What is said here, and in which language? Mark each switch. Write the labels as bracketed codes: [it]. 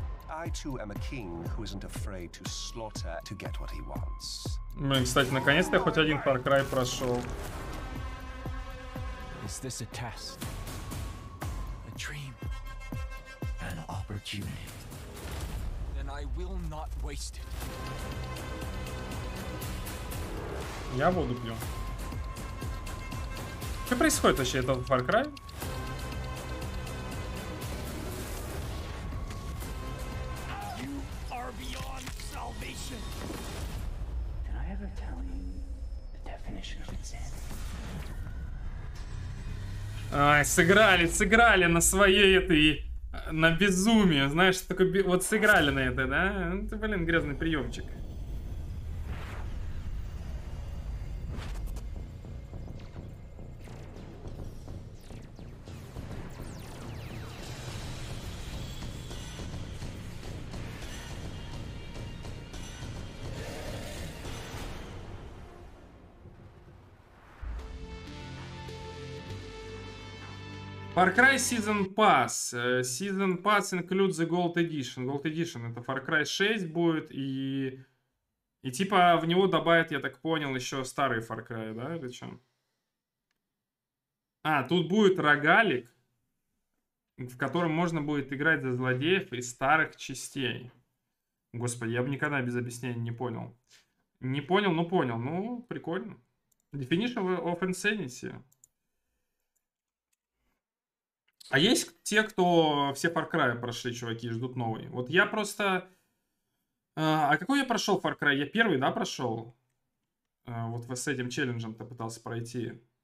[en] I too am a king who isn't afraid to slaughter to get what he wants. [ru] Блин, кстати, наконец-то я хоть один Far Cry прошел. [en] Is this a test? A dream? An opportunity? I will not waste it. [ru] Я воду пью. Что происходит вообще? Это Far Cry? [en] You are beyond salvation. Can I ever tell you the definition of insanity? [ru] Ай, сыграли, сыграли на своей этой... На безумие, знаешь, только вот сыграли на это, да? Ну, ты, блин, грязный приемчик. [en] Far Cry Season Pass. Season Pass includes the Gold Edition. [ru] Gold Edition — это Far Cry 6 будет, и типа в него добавят, я так понял, еще старые Far Cry, да, или что? А, тут будет рогалик, в котором можно будет играть за злодеев из старых частей. Господи, я бы никогда без объяснений не понял. Не понял, но понял. Ну, прикольно. [en] Definition of Insanity. [ru] А есть те, кто все Far Cry прошли, чуваки, и ждут новый? Вот я просто... А какой я прошел Far Cry? Я первый, да, прошел? Вот с этим челленджем-то пытался пройти.